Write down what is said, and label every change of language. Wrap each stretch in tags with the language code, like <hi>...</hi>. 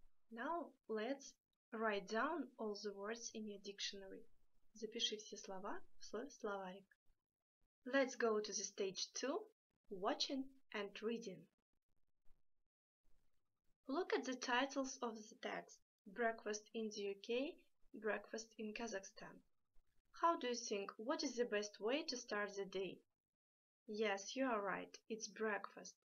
<en>Now let's write down all the words in your dictionary.</en> <ru>Запиши все слова в свой словарик.</ru> <en>Let's go to the stage 2, watching and reading. Look at the titles of the text, Breakfast in the UK, Breakfast in Kazakhstan. How do you think, what is the best way to start the day? Yes, you are right, it's breakfast.</en>